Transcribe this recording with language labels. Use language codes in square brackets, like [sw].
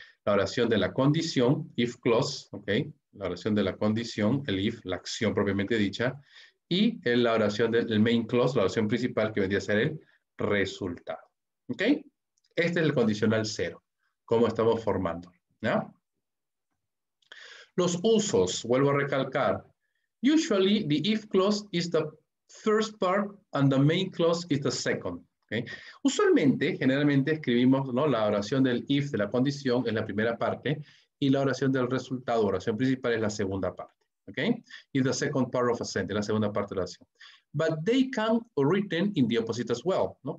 [es] La oración de la condición, if clause, ¿okay? La oración de la condición, el if, la acción propiamente dicha, y la oración del main clause, la oración principal, que vendría a ser el resultado. ¿Okay? Este es el condicional cero, como estamos formando. ¿No? Los usos, vuelvo a recalcar. [en] Usually the if clause is the first part and the main clause is the second. ¿Okay? [es] Usualmente, generalmente escribimos, ¿no?, la oración del if de la condición en la primera parte y la oración del resultado, oración principal, es la segunda parte. [en] ¿Okay? Is the second part of a sentence, [es] la segunda parte de la oración. [en] But they can be written in the opposite as well, ¿no?